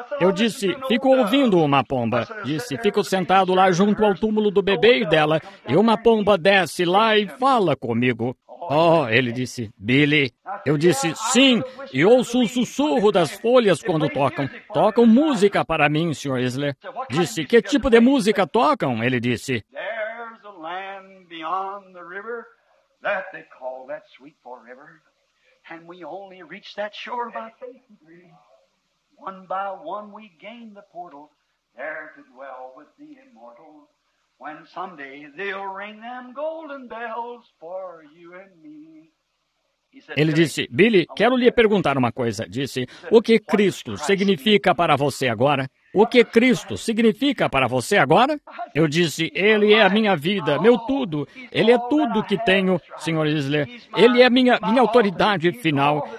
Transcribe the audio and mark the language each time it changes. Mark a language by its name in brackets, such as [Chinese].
[Portuguese] Eu disse, fico ouvindo uma pomba. Disse, fico sentado lá junto ao túmulo do bebê e dela. E uma pomba desce lá e fala comigo. Oh, ele disse, Billy. Eu disse, sim, e ouço o sussurro das folhas quando tocam. Tocam música para mim, Sr. Isler. Disse, que tipo de música tocam? Ele disse, [English] there's a land beyond the river that they call that sweet for river. And we only reach that shore by faith and dream. One by one we gain the portal there to dwell with the immortal. When someday they'll ring them golden bells for you and me. [Portuguese] Ele disse, Billy, quero lhe perguntar uma coisa. Disse, o que Cristo significa para você agora? O que Cristo significa para você agora? Eu disse, ele é a minha vida, meu tudo. Ele é tudo que tenho, Sr. Isler. Ele é minha autoridade final.